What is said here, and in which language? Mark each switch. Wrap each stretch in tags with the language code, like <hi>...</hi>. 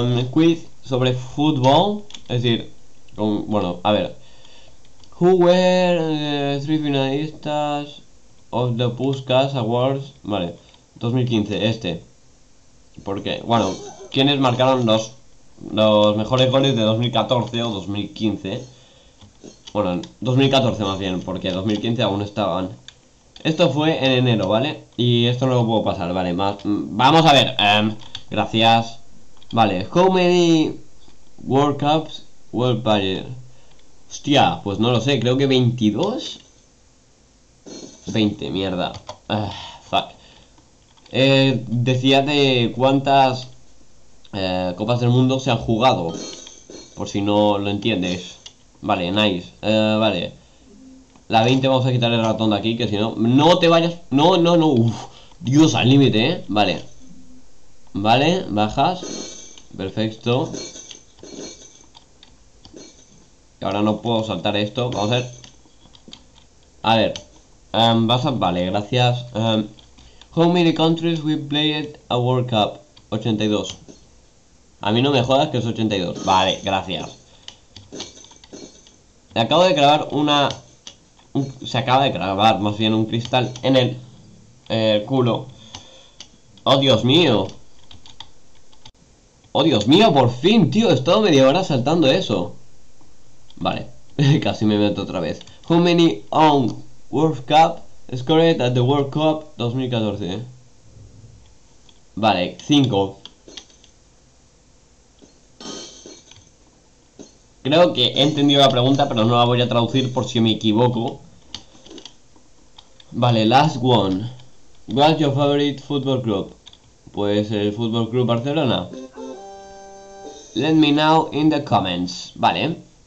<es>Quiz sobre fútbol, es decir, bueno, a ver.</es> <en>Who were the three finalistas of the Puskás Awards?</en> <es>Vale, 2015, este. ¿Por qué? Bueno, ¿quiénes marcaron los mejores goles de 2014 o 2015? Bueno, 2014 más bien, porque 2015 aún estaban. Esto fue en enero, ¿vale? Y esto no lo puedo pasar, ¿vale? Más, vamos a ver. Gracias.</es> <en>Vale, how many World Cups were there?</en> <es>Hostia, pues no lo sé, creo que 22. 20, mierda. Fuck. Decía de cuántas Copas del Mundo se han jugado. Por si no lo entiendes. Vale, nice. Vale. La 20 vamos a quitar el ratón de aquí, que si no. No te vayas. No, no, no. Uf, Dios, al límite, ¿eh? Vale. Vale, bajas. Perfecto. Ahora no puedo saltar esto. Vamos a ver. A ver. Vas a. Vale, gracias.</es> <en>How many countries we played a World Cup?</en> <es>82. A mí no me jodas que es 82. Vale, gracias. Le acabo de grabar una. Se acaba de grabar más bien un cristal en el culo. Oh, Dios mío. Oh, Dios mío, por fin, tío. He estado media hora saltando eso. Vale, casi me meto otra vez.</es> <en>How many own World Cup scored at the World Cup 2014?</en> <es>Vale, 5. Creo que he entendido la pregunta, pero no la voy a traducir por si me equivoco.</es> <en>Vale, last one. What's your favorite football club?</en> <es>Pues el Fútbol Club Barcelona.</es> <en>Let me know in the comments. Vale.</en>